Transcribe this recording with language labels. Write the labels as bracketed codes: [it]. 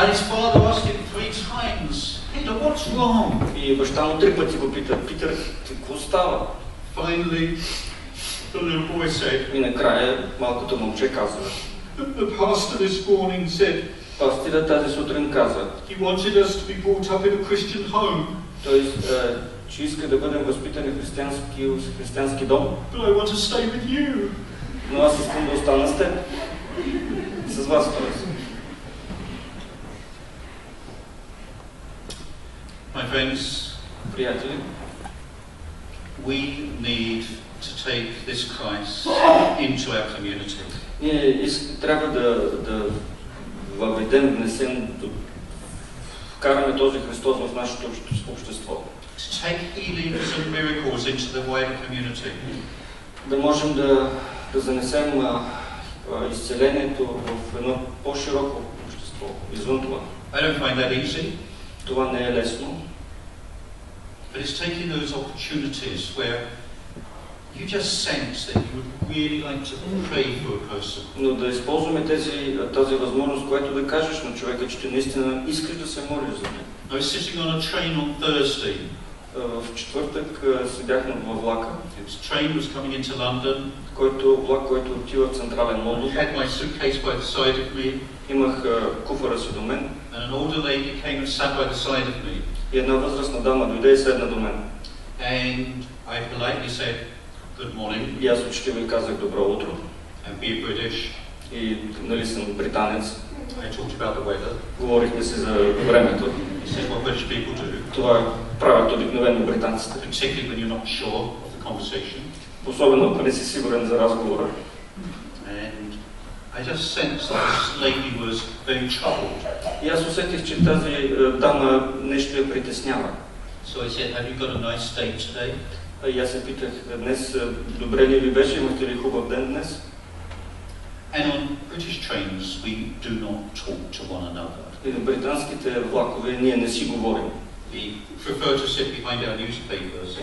[en] And his father asked him three times, Peter, what's wrong? [bg] И баща му три пъти го пита, Питър, какво става? [en] Finally, the little boy said. [bg] И накрая малкото момче каза. [en] The pastor this morning said. [bg] Пастирът тази сутрин каза. [en] He wanted us to be brought up in a Christian home. [bg] Че иска да бъдем възпитани в християнски дом. [en] But I want to stay with you. [bg] Но аз искам да остана с теб. С вас, т.е. [en] My friends, [bg] приятели, [en] we need to take this Christ into our community. [bg] Ние трябва да въведем, внесем, да вкараме този Христос в нашето общество. [en] To take healings and miracles into the wider community. [bg] Да можем да занесем изцелението в едно по-широко общество, извън това. [en] I don't find that easy. [bg] Това не е лесно. [en] But it's taking those opportunities where you just sense that you would really like to pray for a person. [bg] Но да използваме тази възможност, която да кажеш на човека, че ти наистина искаш да се молиш за него. [en] I was sitting on a train on Thursday. [bg] В четвъртък седяхме във влака. [en] It's train was coming into London. [bg] Който отива в централен модул. [en] Had my suitcase by the side of me. [bg] Имах куфара си до мен. [en] And an older lady came and sat by the side of me. [bg] И една възрастна дама дойде и седна до мен. [en] And I politely said good morning. [bg] И аз учтиво казах добро утро. [en] and be British. [bg] И нали съм британец. [en] I talked about the weather. [bg] Говорихме си за времето. [en] This is what British people do. [bg] Това правят обикновено британците. [en] Particularly when you're not sure of the conversation. [bg] Особено ако не си сигурен за разговора. [en] And I just sensed that this lady was very troubled. [bg] И аз усетих, че тази дама нещо я притеснява. [en] So I said, have you got a nice day today? [bg] И аз се питах, днес добре ли ви беше, имахте ли хубав ден днес? [en] And on British trains we do not talk to one another. [bg] И на британските влакове ние не си говорим. [en] We prefer to sit behind our newspapers.